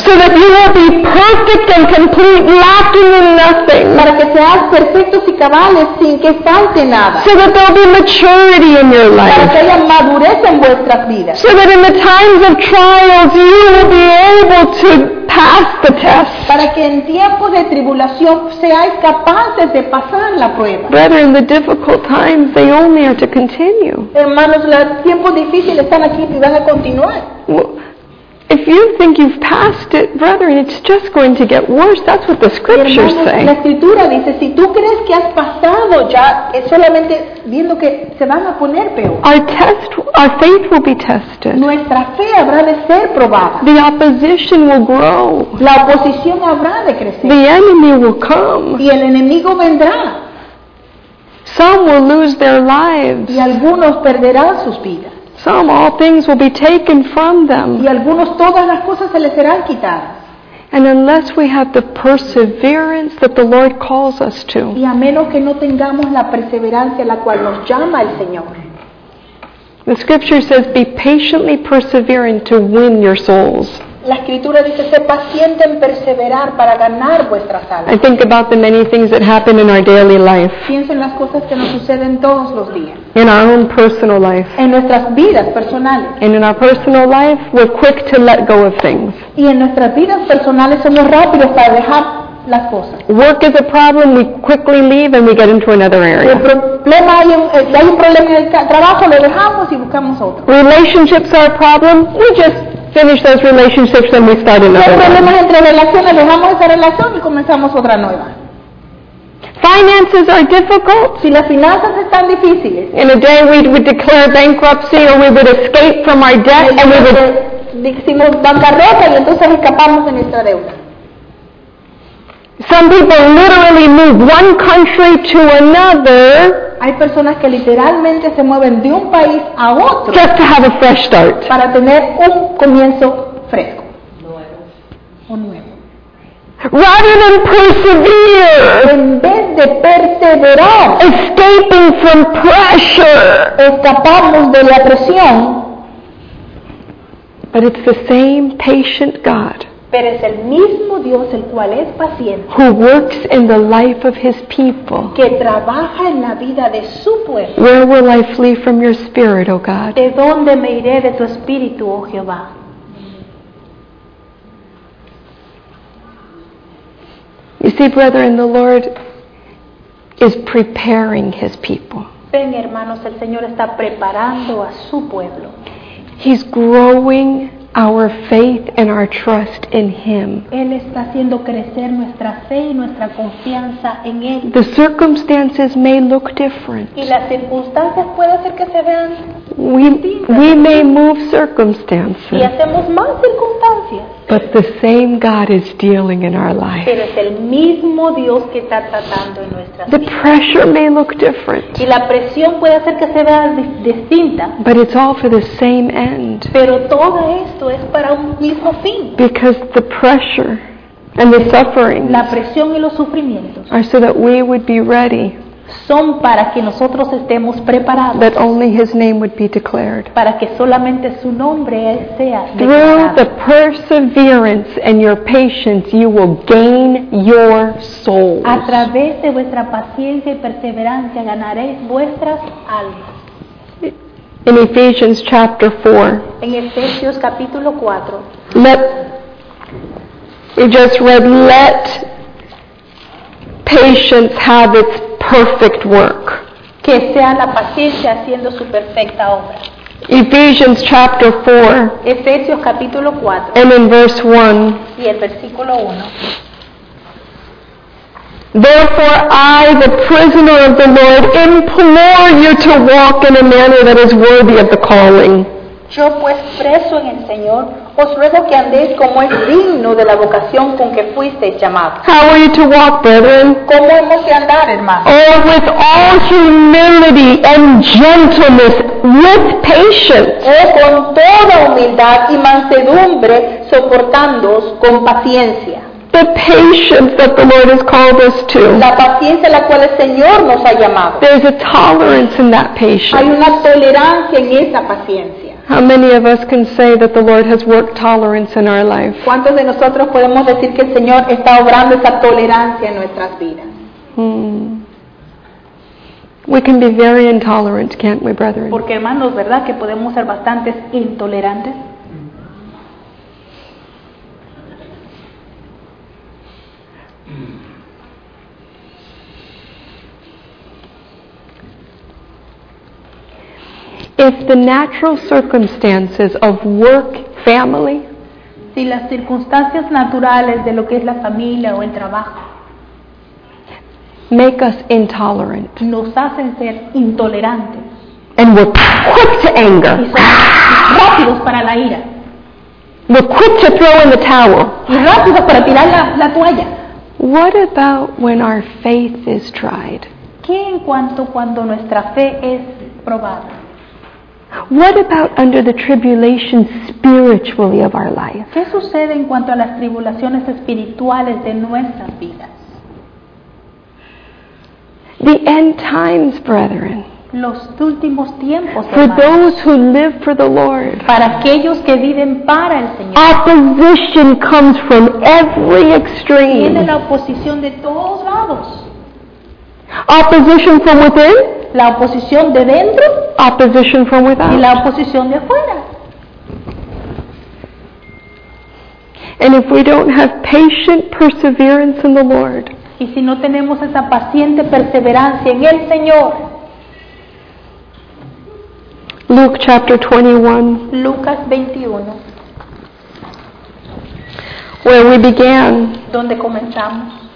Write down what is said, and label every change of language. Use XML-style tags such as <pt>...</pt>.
<en>So that you will be perfect and complete, lacking in nothing.</en> <es>Para que seas perfectos y cabales sin que falte nada.</es> <en>So that there will be maturity in your life.</en> <es>Para que haya madurez en vuestras vidas.</es> <en>So that in the times of trials you will be able to pass the test.</en> <es>Para que en tiempos de tribulación seáis capaces de pasar la prueba.</es> <en>Brethren, the difficult times, they only are to continue.</en> <es>Hermanos, los tiempos difíciles están aquí y van a continuar.</es> <en>If you think you've passed it, brethren, it's just going to get worse. That's what the scriptures say.</en> <es>La escritura dice, si tú crees que has pasado ya, es solamente viendo que se van a poner peor.</es> <en>Our faith will be tested.</en> <es>Nuestra fe habrá de ser probada.</es> <en>The opposition will grow.</en> <es>La oposición habrá de crecer.</es> <en>The enemy will come.</en> <es>Y el enemigo vendrá.</es> <en>Some will lose their lives.</en> <es>Y algunos perderán sus vidas.</es> <en>Some all things will be taken from them.</en> <es>Y algunos todas las cosas se les serán quitadas.</es> <en>And unless we have the perseverance that the Lord calls us to.</en> <es>Y a menos que no tengamos la perseverancia la cual nos llama el Señor.</es> <en>The scripture says, "Be patiently persevering to win your souls."</en> <es>La escritura dice, "Sé paciente en perseverar para ganar vuestras almas."</es> <en>I think about the many things that happen in our daily life.</en> <es>Pienso en las cosas que nos suceden todos los días.</es> <en>In our own personal life.</en> <es>En nuestras vidas personales.</es> <en>And in our personal life, we're quick to let go of things.</en> <es>Y en nuestras vidas personales somos rápidos para dejar las cosas.</es> <en>Work is a problem, we quickly leave and we get into another area.</en> <es>Hay un problema en el trabajo, lo dejamos y buscamos otro.</es> <en>Relationships are a problem, we just finish those relationships and we start another.</en> <es>Los problemas entre relaciones, dejamos esa relación y comenzamos otra nueva.</es> <en>Finances are difficult.</en> <es>Si las finanzas están difíciles.</es> <en>In a day we would declare bankruptcy or we would escape from our debt and we would.</en> <es>Decimos bancarrota y entonces escapamos de nuestra deuda.</es> <en>Some people literally move one country to another.</en> <es>Hay personas que literalmente se mueven de un país a otro.</es> <en>Just to have a fresh start.</en> <es>Para tener un comienzo fresco. Nuevo.</es> <en>Rather than persevere.</en> <es>En vez de perseverar.</es> <en>Escaping from pressure.</en> <es>Escapamos de la presión.</es> <en>But it's the same patient God.</en> <es>Pero es el mismo Dios el cual es paciente.</es> <en>Who works in the life of his people.</en> <es>Que trabaja en la vida de su pueblo.</es> <en>Where will I flee from your spirit, O God?</en> <es>¿De dónde me iré de tu espíritu, oh Jehová?</es> <en>You see, brethren, the Lord is preparing his people.</en> <es>Ven, hermanos, el Señor está preparando a su pueblo.</es> <en>He's growing our faith and our trust in Him.</en> <es>Él está haciendo crecer nuestra fe y nuestra confianza en Él.</es> <en>The circumstances may look different.</en> <es>Y las circunstancias puede hacer que se vean distintas.</es> <en>We may move circumstances.</en> <es>Y hacemos más circunstancias.</es> <en>But the same God is dealing in our life.</en> <es>Pero es el mismo Dios que está tratando en nuestra vida.</es> <en>The pressure may look different.</en> <es>Y la presión puede hacer que se vea distinta.</es> <en>But it's all for the same end.</en> <es>Pero todo esto es para un mismo fin.</es> <en>Because the pressure and the suffering</en> <es>la presión y los sufrimientos</es> <en>are so that we would be ready.</en> <es>son para que nosotros estemos preparados.</es> <en>That only his name would be declared.</en> <es>Para que solamente su nombre sea declarado.</es> <en>Through the perseverance and your patience, you will gain your souls.</en> <es>A través de vuestra paciencia y perseverancia ganaréis vuestras almas.</es> <en>In Ephesians chapter 4.</en> <es>En Efesios capítulo 4.</es> <en>We just read, let patience have its perfect work.</en> <es>Que sea la paciencia haciendo su perfecta obra.</es> <en>Ephesians chapter 4.</en> <es>Efesios capítulo 4.</es> <en>And in verse 1.</en> <es>Y el versículo 1.</es> <en>Therefore I, the prisoner of the Lord, implore you to walk in a manner that is worthy of the calling.</en> <es>Yo pues preso en el Señor, os ruego que andéis como es digno de la vocación con que fuisteis llamados.</es> <en>How are you to walk, brethren?</en> <es>¿Cómo hemos de andar, hermanos?</es> <en>Oh, with all humility and gentleness, with patience.</en> <es>Oh, con toda humildad y mansedumbre, soportándoos con paciencia.</es> <en>The patience that the Lord has called us to.</en> <es>La paciencia a la cual el Señor nos ha llamado.</es> <en>There's a tolerance in that patience.</en> <es>Hay una tolerancia en esa paciencia.</es> <en>How many of us can say that the Lord has worked tolerance in our life?</en> <es>¿Cuántos de nosotros podemos decir que el Señor está obrando esa tolerancia en nuestras vidas?</es> <en>We can be very intolerant, can't we, brethren?</en> <es>Porque hermanos, ¿verdad que podemos ser bastante intolerantes?</es> <en>If the natural circumstances of work, family,</en> <es>si las circunstancias naturales de lo que es la familia o el trabajo,</es> <en>make us intolerant,</en> <es>nos hacen ser intolerantes,</es> <en>and we're quick to anger,</en> <es>rápidos para la ira,</es> <en>we're quick to throw in the towel,</en> <es>rápidos para tirar la toalla.</es> <en>What about when our faith is tried?</en> <es>¿Qué en cuanto cuando nuestra fe es probada?</es> <en>What about under the tribulation spiritually of our life?</en> <es>¿Qué sucede en cuanto a las tribulaciones espirituales de nuestras vidas?</es> <en>The end times, brethren.</en> <es>Los últimos tiempos,</es> <en>for those who live for the Lord.</en> <es>Para aquellos que viven para el Señor.</es> <en>Opposition comes from every extreme.</en> <es>Viene la oposición de todos lados.</es> <en>Opposition from within.</en> <es>La oposición de dentro.</es> <en>Opposition from without.</en> <es>Y la oposición de afuera.</es> <en>And if we don't have patient perseverance in the Lord.</en> <es>Y si no tenemos esa paciente perseverancia en el Señor.</es> <en>Luke chapter 21.</en> <es>Lucas 21.</es> <en>Where we began.</en> <es>Donde comenzamos.</es>